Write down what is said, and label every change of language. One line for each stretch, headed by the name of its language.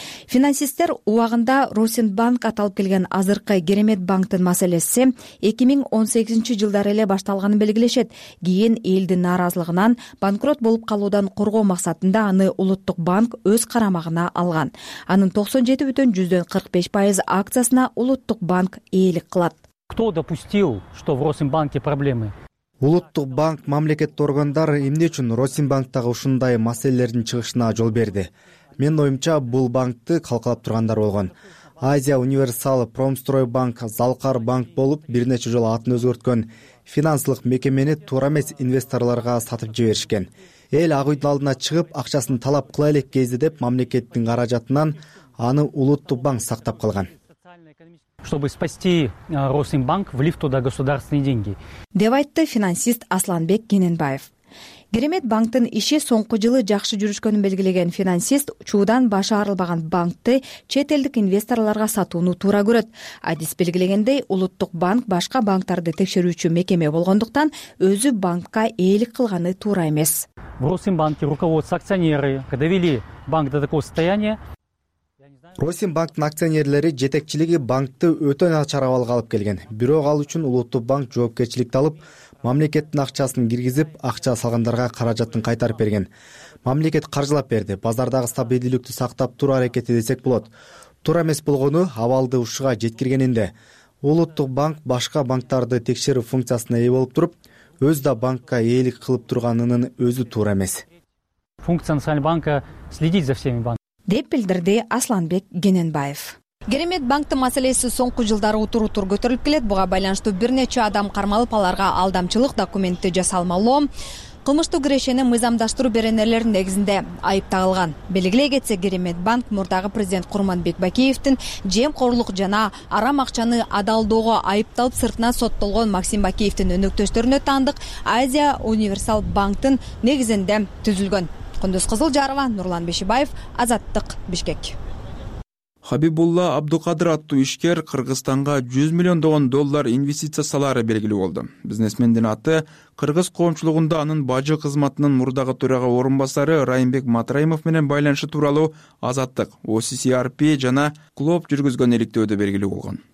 Kyrgyz: Финансисттер убагында Росин банк аталып келген азыркы Керемет банктын маселеси 2018 жылдары эле башталганын белгилешет. Кийин элдин нааразылыгынан банкрот болуп калуудан коргоо максатында аны Улуттук банк өз карамагына алган. Анын 97.45% акциясына Улуттук банк ээлик кылат.
Russian: Кто допустил, что в Росинбанке проблемы?
Kyrgyz: Улуттук банк мамлекеттик органдар эмне үчүн Росинбанктагы ушундай маселелердин чыгышына жол берди? Мен оюмча бул банкты калкалап тургандар болгон. Азия Универсал, Промстрой банк, Залкар банк болуп бир нече жолу атын өзгөрткөн финансылык мекемени туура эмес инвесторлорго сатып жиберишкен. Эл ак үйдүн алдына чыгып акчасын талап кыла элек кезде деп мамлекеттин каражатынан аны Улуттук банк сактап калган.
Russian: Чтобы спасти Росинбанк, влив туда государственные деньги.
Kyrgyz: Деп айтты финансист Асланбек Кененбаев. Керемет банктын иши соңку жылы жакшы жүрүшкөнүн белгилеген финансист чуудан башы арылбаган банкты чет элдик инвесторлорго сатууну туура көрөт. Адис белгилегендей, Улуттук банк башка банктарды текшерүүчү мекеме болгондуктан өзү банкка ээлик кылганы туура эмес.
Russian: В Росинбанке руководство акционеры, когда вели банк до такого состояния.
Kyrgyz: Росинбанктын акционерлери жетекчилиги банкты өтө начар абалга алып келген. Бирок ал үчүн Улуттук банк жоопкерчиликти алып, мамлекеттин акчасын киргизип, акча салгандарга каражатын кайтарып берген. Мамлекет каржылап берди. Базардагы стабилдүүлүктү сактап туруу аракети десек болот. Туура эмес болгону абалды ушуга жеткиргенинде, Улуттук банк башка банктарды текшерүү функциясына ээ болуп туруп, өзү да банкка ээлик кылып турганынын өзү туура эмес.
Russian: Функция национального банка следить за всеми банками.
Kyrgyz: Деп билдирди Асланбек Кененбаев. Керемет банктын маселеси соңку жылдары утур-утур көтөрүлүп келет. Буга байланыштуу бир нече адам кармалып, аларга алдамчылык документти жасалмалоо, кылмыштуу кирешени мыйзамдаштыруу беренелердин негизинде айып тагылган. Белгилей кетсек, Керемет банк мурдагы президент Курманбек Бакиевдин жемкорлук жана арам акчаны адалдоого айыпталып сыртынан соттолгон Максим Бакиевдин өнөктөштөрүнө таандык Азия Универсал банктын негизинде түзүлгөн. Кундуз Кызылжарова, Нурлан Бешибаев, Азаттык, Бишкек. Хабибулла Абдукадыр аттуу ишкер Кыргызстанга 100 миллиондогон доллар инвестиция салары белгилүү болду. Бизнесмендин аты кыргыз коомчулугунда анын бажы кызматынын мурдагы төрага орун басары Райымбек Матраимов менен байланышы тууралуу Азаттык, OCCRP жана Клоп жүргүзгөн иликтөөдө белгилүү болгон.